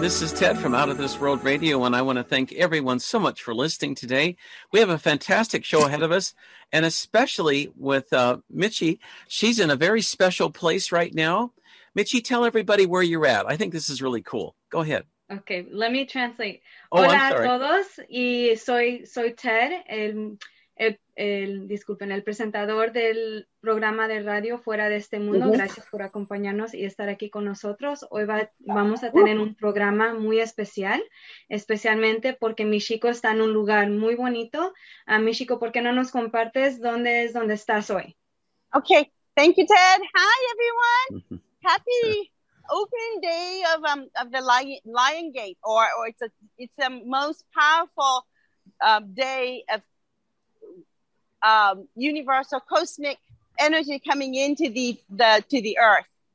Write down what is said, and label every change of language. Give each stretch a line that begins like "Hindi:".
English: This is Ted from Out of This World Radio, and I want to thank everyone so much for listening today. We have a fantastic show ahead of us, and especially with Mitchie. She's in a very special place right now. Mitchie, tell everybody where you're at. I think this is really cool. Go ahead. Okay, let me translate.
Spanish: Hola a todos, y soy Ted, el presentador del programa de radio Fuera de Este Mundo. Uh-huh. Gracias por acompañarnos y estar aquí con nosotros. Hoy vamos a tener un programa muy especial, especialmente porque Mitchie está en un lugar muy bonito. Mitchie, ¿por qué no nos compartes dónde es donde estás hoy?
English: Okay, thank you, Ted. Hi, everyone. Happy opening day of the Lion Gate, or it's the most powerful day of universal cosmic energy coming into the Earth.